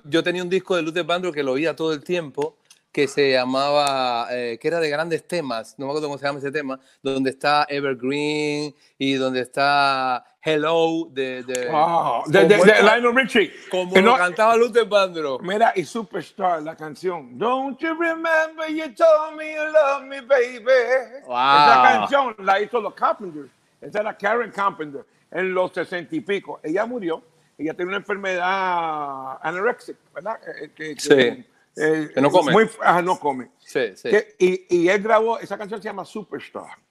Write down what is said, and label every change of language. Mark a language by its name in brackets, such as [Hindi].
[Spanish] Yo tenía un disco de Luther Vandross que lo oía todo el tiempo, que se llamaba, que era de grandes temas, no me acuerdo cómo se llama ese tema, donde está Evergreen y donde está Hello de Lionel Richie. Como lo cantaba Luther Vandross. Mira, y Superstar, la canción. [English] Don't you remember you told me you love me, baby. Wow. [Spanish] Esa canción la hizo los Carpenters. Esa era Karen Carpenter en los 60 y pico. Ella murió, ella tenía una enfermedad anoréxica, ¿verdad? Que no come. No come. Sí. Y él grabó, esa canción se llama Superstar.